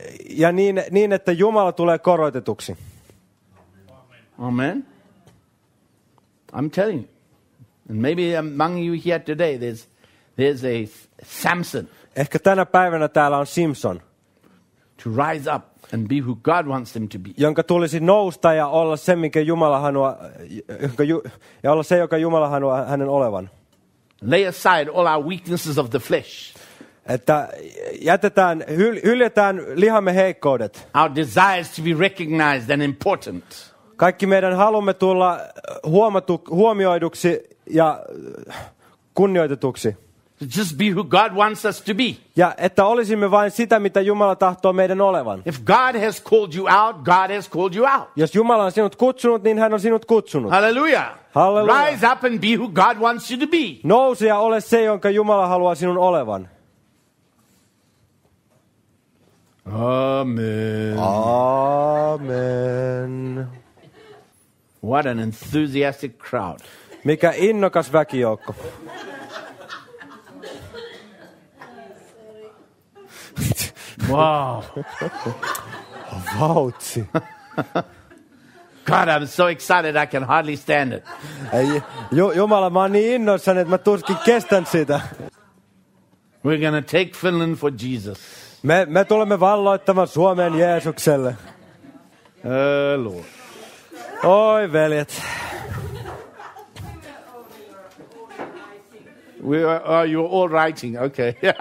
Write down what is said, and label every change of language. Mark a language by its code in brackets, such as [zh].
[fi] Ja niin että Jumala tulee korotetuksi. Amen. [en] I'm telling you, and maybe among you here today, there's a Samson. [fi] Ehkä tänä päivänä täällä on Simpson. [en] To rise up and be who God wants them to be. [fi] Jonka tulisi nousta ja olla se, minkä Jumala hanoa, ja olla se, joka Jumala hanoa hänen olevan. [en] Lay aside all our weaknesses of the flesh. [fi] Että jätetään, hyljetään lihamme heikkoudet. [en] Our desires to be recognized and important. [fi] Kaikki meidän halumme tulla huomioiduksi ja kunnioitetuksi. [en] Just be who God wants us to be. [fi] Ja että olisimme vain sitä, mitä Jumala tahtoo meidän olevan. [en] If God has called you out, God has called you out. [fi] Jos Jumala on sinut kutsunut, niin hän on sinut kutsunut. Hallelujah. Hallelujah. [en] Rise up and be who God wants you to be. [fi] Nouse ja ole se, jonka Jumala haluaa sinun olevan. Amen. Amen. [en] What an enthusiastic crowd. [fi] Mikä innokas väkijoukko. [en] Wow. [fi] Vautsi. [en] God, I'm so excited I can hardly stand it. [fi] Jumala, mä oon niin innoissani, että mä tuskin kestän sitä. [en] We're going to take Finland for Jesus. [fi] Me tulemme valloittamaan Suomen Jeesukselle. [en] Lord. [fi] Oi, veljet. [en] You're all writing, okay.